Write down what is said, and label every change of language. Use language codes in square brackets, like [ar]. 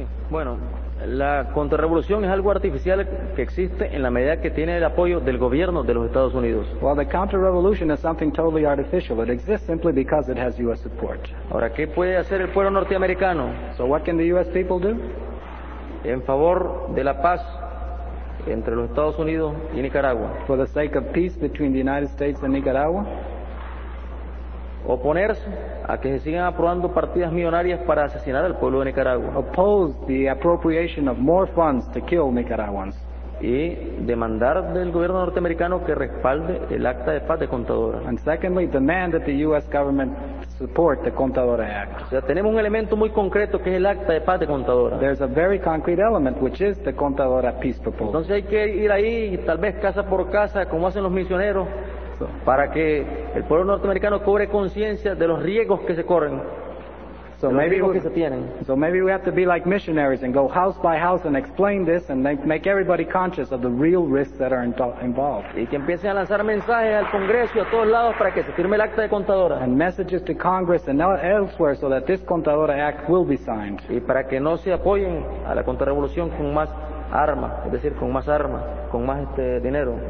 [es] Bueno, la contrarrevolución es algo artificial que existe en la medida que tiene el apoyo del gobierno de los Estados Unidos. [en] Well, the counter-revolution is something totally artificial. It exists simply because it has U.S. support. [es] Ahora, ¿qué puede hacer el pueblo norteamericano? [en] So what can the U.S. people do? [es] En favor de la paz entre los Estados Unidos y Nicaragua. [en] For the sake of peace between the United States and Nicaragua. [es] Oponerse a que se sigan aprobando partidas millonarias para asesinar al pueblo de Nicaragua. [en] Oppose the appropriation of more funds to kill Nicaraguans. [es] Y demandar del gobierno norteamericano que respalde el acta de paz de Contadora. [en] And secondly, demand that the U.S. government support the Contadora Act. [es] O sea, tenemos un elemento muy concreto que es el acta de paz de Contadora. [en] There's a very concrete element which is the Contadora peace proposal. [es] Entonces hay que ir ahí, tal vez casa por casa, como hacen los misioneros. Para que el pueblo norteamericano cobre conciencia de los riesgos que se corren. [en] So maybe [es] que se tienen. [en] So maybe we have to be like missionaries and go house by house and explain this and make everybody conscious of the real risks that are involved. [es] Y que empiecen a lanzar mensajes al Congreso y a todos lados para que se firme el acta de Contadora. [en] And messages to Congress and elsewhere so that this Contadora Act will be signed. [es] Y para que no se apoyen a la contrarrevolución con más armas, es decir, con más armas, con más dinero.